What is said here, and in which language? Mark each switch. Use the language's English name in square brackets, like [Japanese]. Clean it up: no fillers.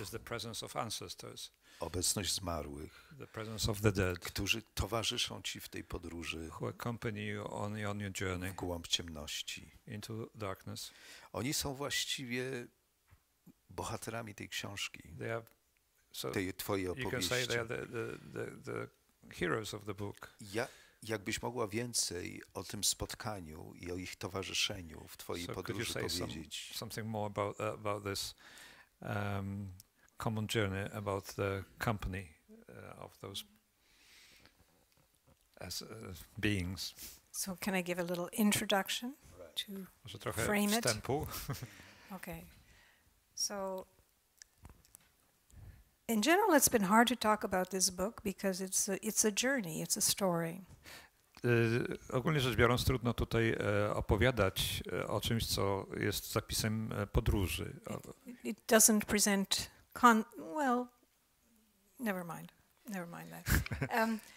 [English] is the presence of ancestors, [Polish] obecność zmarłych, [English] the presence of the dead, [Polish] którzy towarzyszą ci w tej podróży, [English] who accompany you on your journey, [Polish] w głąb ciemności, [English] into darkness. [Polish] Oni są właściwie bohaterami tej książki. [English] They are [Polish] tej twojej opowieści. [English] You can say they are the heroes of the book. [Polish] Jakbyś mogła więcej o tym spotkaniu i o ich towarzyszeniu w twojej podróży powiedzieć? [English] Something more about this common journey, about the company of those as beings. So can I give a little introduction to frame it? Okay. So in general, it's been hard to talk about this book because it's a journey, it's a story. [Polish] Ogólnie rzecz biorąc, trudno tutaj opowiadać o czymś, co jest zapisem podróży. [English] It doesn't present never mind that.